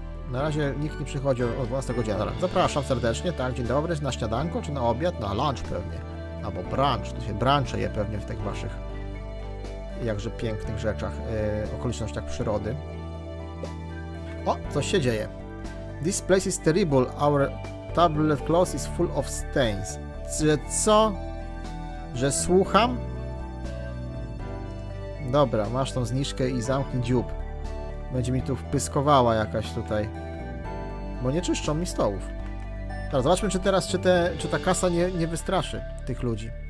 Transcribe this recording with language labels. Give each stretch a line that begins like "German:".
Polish: Na razie nikt nie przychodzi o 12 godziny. Dobra, zapraszam serdecznie, tak? Dzień dobry, na śniadanko czy na obiad? Na lunch pewnie. Albo brunch, to się brunche je pewnie w tych waszych jakże pięknych rzeczach, okolicznościach przyrody. O, coś się dzieje.
English: This place is terrible, our table cloth is full of stains.
Polish: Co? Że słucham? Dobra, masz tą zniżkę i zamknij dziób. Będzie mi tu wpyskowała jakaś tutaj bo nie czyszczą mi stołów. Teraz zobaczmy, czy teraz, czy ta kasa nie wystraszy tych ludzi.